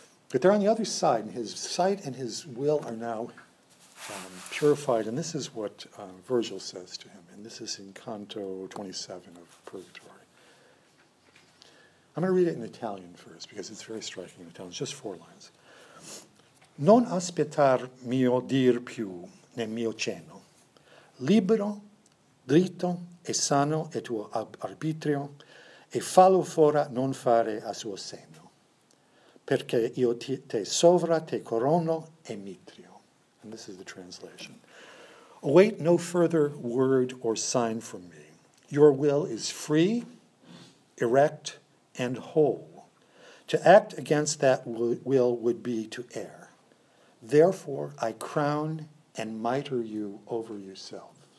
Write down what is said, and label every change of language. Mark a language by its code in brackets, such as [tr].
[en] But they're on the other side, and his sight and his will are now purified. And this is what Virgil says to him. And this is in Canto 27 of Purgatory. I'm going to read it in Italian first, because it's very striking in Italian. It's just four lines. [it] Non aspettar mio dir più nel mio cenno. Libero, dritto e sano è tuo arbitrio, e fallo fora non fare a suo senno. Perché io te sovra te corono e mitrio. [en] And this is the translation. Await no further word or sign from me. Your will is free, erect, and whole. To act against that will would be to err. Therefore, I crown and mitre you over yourself.